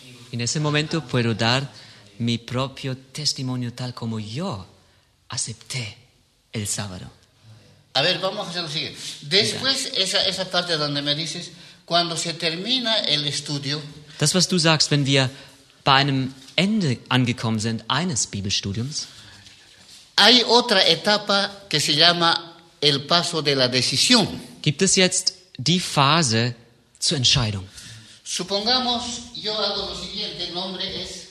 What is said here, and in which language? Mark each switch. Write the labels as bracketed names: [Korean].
[Spanish] En ese momento puedo dar mi propio testimonio tal como yo acepté el sábado. A ver, vamos a hacer lo siguiente. Después, esa parte donde me dices, cuando se termina el estudio... [German] Das, was du sagst, wenn wir bei einem Ende angekommen sind, eines Bibelstudiums... [Spanish] Hay otra etapa que se llama el paso de la decisión. [German] Gibt es jetzt die Phase zur Entscheidung? [Spanish] Supongamos, yo hago lo siguiente, el nombre es...